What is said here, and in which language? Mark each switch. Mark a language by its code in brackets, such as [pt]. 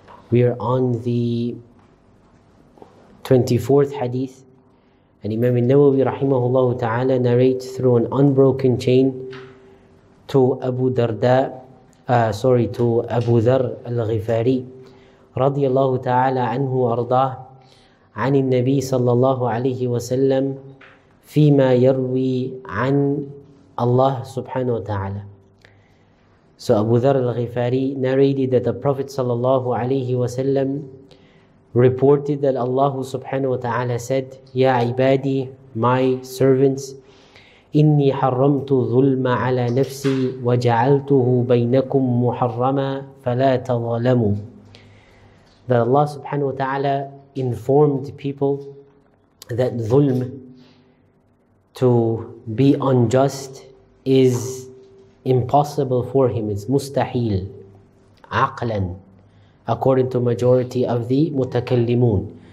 [en] We are on the 24th hadith, and Imam al-Nawawi rahimahullah ta'ala narrates through an unbroken chain to Abu Darda, to Abu Dharr al-Ghifari [ar] رضي الله تعالى عنه وأرضاه عن النبي صلى الله عليه وسلم فيما يروي عن الله سبحانه وتعالى. [en] So Abu Dharr al-Ghifari narrated that the Prophet [ar] صلى الله عليه وسلم [en] reported that Allah [ar] سبحانه وتعالى [en] said, [ar] يا عبادي, [en] my servants, [ar] إني حرمت ظلم على نفسي وجعلته بينكم محرما فلا تظلموا. [en] That Allah subhanahu wa ta'ala informed people that dhulm, to be unjust, is impossible for him. It's mustahil, aqlan, according to majority of the mutakallimun.